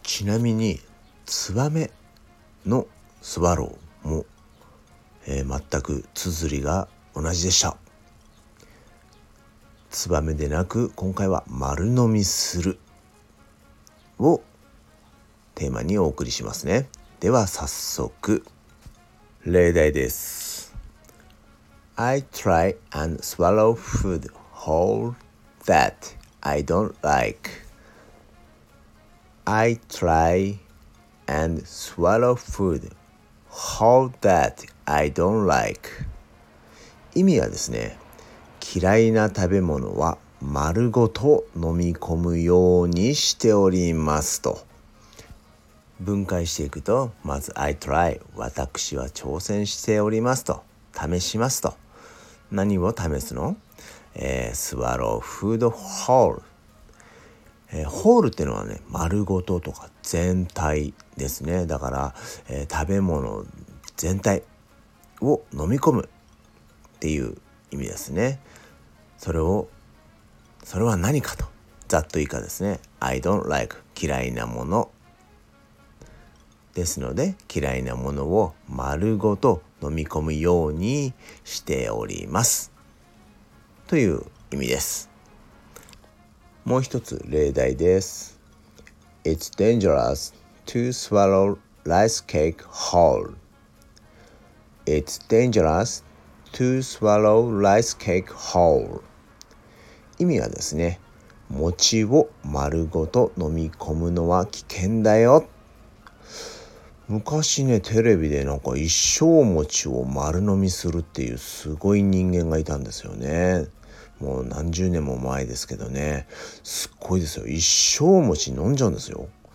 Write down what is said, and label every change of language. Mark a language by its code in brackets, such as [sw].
[ja] ちなみにツバメのスワローも、全く綴りが同じでした。ツバメでなく今回は丸飲みするをテーマにお送りしますね。では早速例題です。 [en] I try and swallow food whole that I don't like. I try and swallow food whole that I don't like. [ja] 意味はですね、嫌いな食べ物は丸ごと飲み込むようにしておりますと。分解していくと、まず [en] I try、 [ja] 私は挑戦しておりますと、試しますと。何を試すの？スワローフードホール、ホールっていうのはね、丸ごととか全体ですね。だから、食べ物全体を飲み込むっていう意味ですね。それは何かと、ざっと以下ですね。 [en] I don't like、 [ja] 嫌いなものですので、嫌いなものを丸ごと飲み込むようにしておりますという意味です。もう一つ例題です。 [en] It's dangerous to swallow rice cake whole. It's dangerous to swallow rice cake whole. [ja] 意味はですね、餅を丸ごと飲み込むのは危険だよ。昔ね、テレビでなんか一生餅を丸飲みするっていうすごい人間がいたんですよね。もう何十年も前ですけどね。すっごいですよ、一生餅飲んじゃうんですよ。